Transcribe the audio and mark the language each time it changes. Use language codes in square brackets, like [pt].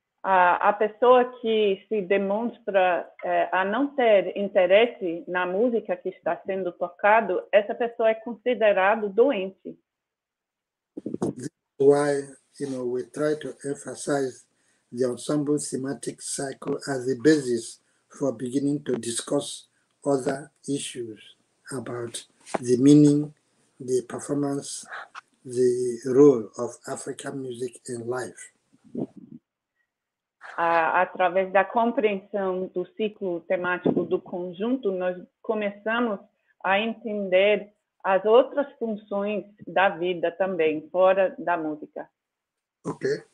[pt] A pessoa que se demonstra a não ter interesse na música que está sendo tocado, essa pessoa é considerada doente. [en] Why, you know, we try to emphasize the ensemble thematic cycle as a basis for beginning to discuss other issues about the meaning, the performance, the role of African music in life. [pt] Através da compreensão do ciclo temático do conjunto, nós começamos a entender as outras funções da vida também, fora da música. [en] Ok.